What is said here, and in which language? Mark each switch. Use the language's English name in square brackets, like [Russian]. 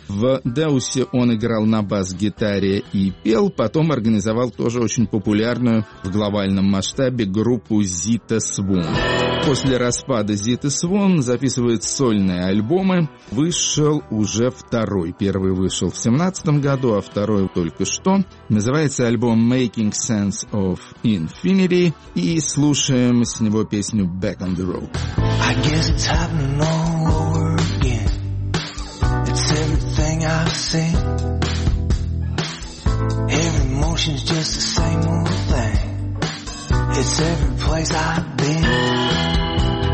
[Russian] В Deus'е он играл на бас-гитаре и пел, потом организовал тоже очень популярную в глобальном масштабе группу Zeta Swan. После распада Zeta Swan записывает сольные альбомы. Вышел уже второй. Первый вышел в 2017 году, а второй только что. Называется альбом Making Sense of Infinity. И слушаем с него песню Back on the Road. [English] I guess it's happening all over again. It's everything I've seen. Every motion's just the same old thing. It's every place I've been.